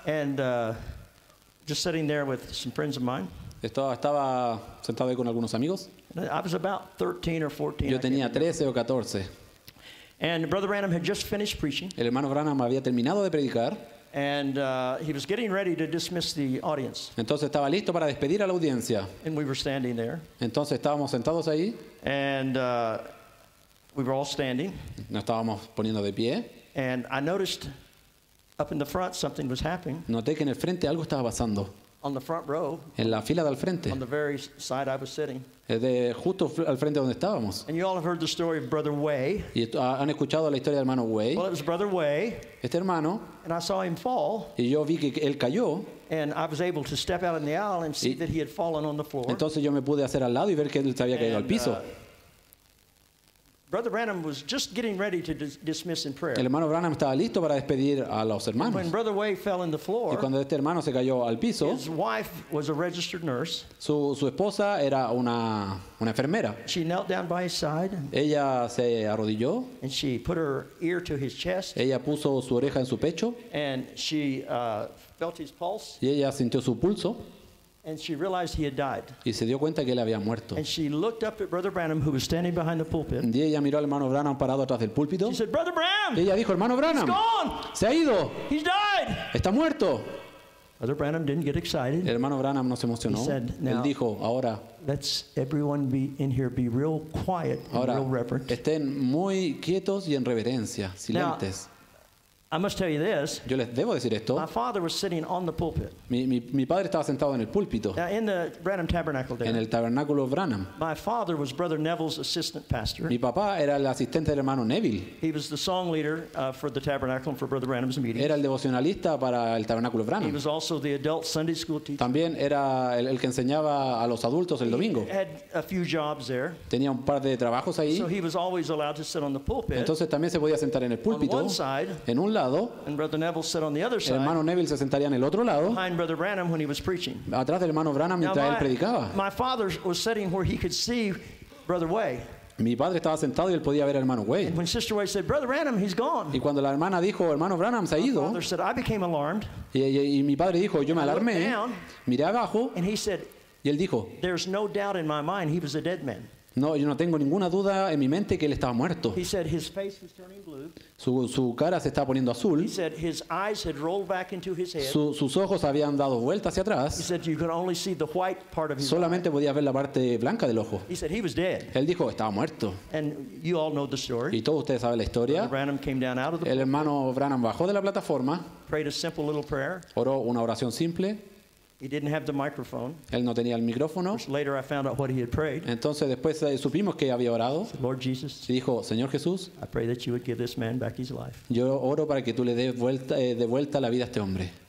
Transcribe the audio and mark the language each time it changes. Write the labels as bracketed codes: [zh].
[en] And just sitting there with some friends of mine. [es] Estaba sentado ahí con algunos amigos. [en] I was about 13 or 14. [es] Yo tenía 13 o 14. [en] And Brother Branham had just finished preaching. [es] El hermano Branham había terminado de predicar. [en] And he was getting ready to dismiss the audience. [es] Entonces estaba listo para despedir a la audiencia. [en] And we were standing there. [es] Entonces estábamos sentados ahí. [en] And we were all standing. [es] Nos estábamos poniendo de pie. [en] And I noticed up in the front something was happening. [es] Noté que en el frente algo estaba pasando. [en] On the front row. [es] En la fila del frente. [en] On the very side I was sitting. [es] De justo al frente donde estábamos. [en] And you all have heard the story of Brother Way. [es] Y han escuchado la historia del hermano Way. [en] Well, it was Brother Way. [es] Este hermano. [en] And I saw him fall. [es] Y yo vi que él cayó. [en] And I was able to step out in the aisle and see that he had fallen on the floor. [es] Entonces yo me pude hacer al lado y ver que él se había caído al piso. [en] Brother Branham was just getting ready to dismiss in prayer. [es] El hermano Branham estaba listo para despedir a los hermanos. [en] When Brother Way fell in the floor, [es] y cuando este hermano se cayó al piso, [en] his wife was a registered nurse. [es] Su esposa era una enfermera. [en] She knelt down by his side. [es] Ella se arrodilló. [en] And she put her ear to his chest. [es] Ella puso su oreja en su pecho. [en] And she felt his pulse. [es] Y ella sintió su pulso. [en] And she realized he had died. [es] Y se dio cuenta que él había muerto. [en] And she looked up at Brother Branham, who was standing behind the pulpit. [es] Y ella miró al hermano Branham parado atrás del púlpito. [en] She said, "Brother Branham." [es] Y ella dijo, "Hermano Branham." [en] He's gone. [es] Se ha ido. [en] He's died. [es] Está muerto. [en] Brother Branham didn't get excited. [es] El hermano Branham no se emocionó. [en] He said, "Now." [es] Él dijo, "Ahora." [en] Let's everyone be in here, be real quiet [es] ahora, [en] and real reverent. [es] Estén muy quietos y en reverencia, silentes. [en] Now, I must tell you this. [es] Yo les debo decir esto. [en] My father was sitting on the pulpit. [es] Mi padre estaba sentado en el púlpito. [en] Now in the Branham tabernacle there. [es] En el tabernáculo Branham. [en] My father was Brother Neville's assistant pastor. [es] Mi papá era el asistente del hermano Neville. [en] He was the song leader for the tabernacle and for Brother Branham's meeting. [es] Era el devocionalista para el tabernáculo Branham. [en] He was also the adult Sunday school teacher. [es] También era el que enseñaba a los adultos el domingo. [en] He had a few jobs there. [es] Tenía un par de trabajos ahí. [en] So he was always allowed to sit on the pulpit. [es] Entonces también se podía sentar en el púlpito. [en] On one side. [es] En un lado. [en] And Brother Neville sat on the other side. [es] El hermano Neville se sentaría en el otro lado. [en] Behind Brother Branham when he was preaching. [es] Atrás del hermano Branham mientras él predicaba. [en] My father was sitting where he could see Brother Way. [es] Mi padre estaba sentado y él podía ver al hermano Way. [en] And when Sister Way said, "Brother Branham, he's gone." [es] Y cuando la hermana dijo, "Hermano Branham se ha ido." [en] My father said, "I became alarmed." [es] Y mi padre dijo, "Yo me alarmé." Miré abajo. [en] And he said, [es] y él dijo, [en] "There's no doubt in my mind he was a dead man." [es] No, yo no tengo ninguna duda en mi mente que él estaba muerto. [en] He said his face was turning blue. [es] Su cara se estaba poniendo azul. [en] He said his eyes had rolled back into his head. [es] Sus ojos habían dado vuelta hacia atrás. [en] He said you could only see the white part of his [es] solamente [en] eye. [es] Podía ver la parte blanca del ojo. [en] He said he was dead. [es] Él dijo estaba muerto. [en] And you all know the story. [es] Y todos ustedes saben la historia. [en] Brother Branham came down out of the [es] el hermano Branham bajó de la plataforma. [en] Prayed a simple little prayer. [es] Oró una oración simple. [en] He didn't have the microphone. [es] Él no tenía el micrófono. [en] Later I found out what he had prayed. [es] Entonces después supimos que había orado. [en] Said, "Lord Jesus." [es] Y dijo, "Señor Jesús." [en] I pray that you would give this man back his life. [es] Yo oro para que tú le des de vuelta la vida a este hombre.